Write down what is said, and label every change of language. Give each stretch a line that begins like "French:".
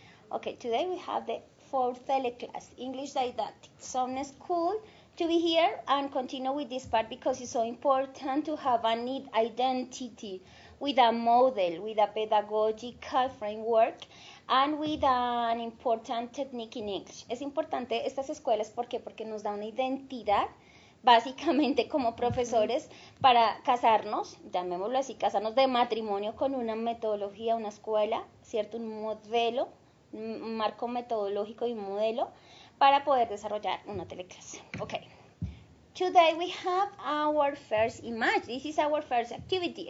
English: Okay, today we have the fourth teleclass, English Didactic. So it's cool to be here and continue with this part because it's so important to have a neat identity with a model, with a pedagogical framework, and with an important technique in English.
Spanish: Es importante estas escuelas, ¿por qué? Porque nos da una identidad. Básicamente como profesores para casarnos, llamémoslo así, casarnos de matrimonio con una metodología, una escuela, ¿cierto? Un modelo, un marco metodológico y un modelo para poder desarrollar una teleclase.
English: Okay. Today we have our first image. This is our first activity.